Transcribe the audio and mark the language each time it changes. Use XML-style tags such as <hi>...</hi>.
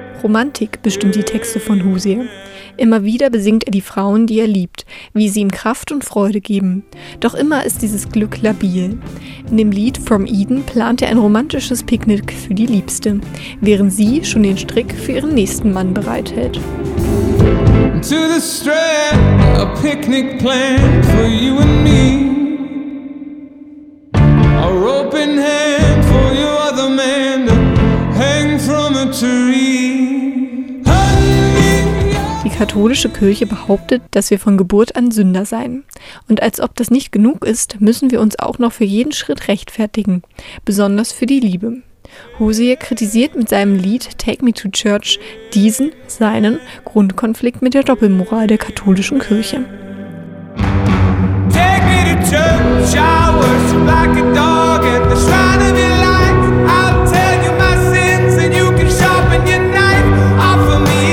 <de>Romantik bestimmt die Texte von Hosea. Immer wieder besingt er die Frauen, die er liebt, wie sie ihm Kraft und Freude geben. Doch immer ist dieses Glück labil. In dem Lied From Eden plant er ein romantisches Picknick für die Liebste, während sie schon den Strick für ihren nächsten Mann bereithält.</de> <en>To the strand, a picnic planned for you and me. A rope in hand for your other man to hang from a tree.</en> <de>Die katholische Kirche behauptet, dass wir von Geburt an Sünder seien. Und als ob das nicht genug ist, müssen wir uns auch noch für jeden Schritt rechtfertigen, besonders für die Liebe. Hosea kritisiert mit seinem Lied Take Me to Church diesen, seinen Grundkonflikt mit der Doppelmoral der katholischen Kirche.</de> <en>Take me to church, I worship like a dog at the shrine of your light. I'll tell you my sins and you can sharpen your knife.</en>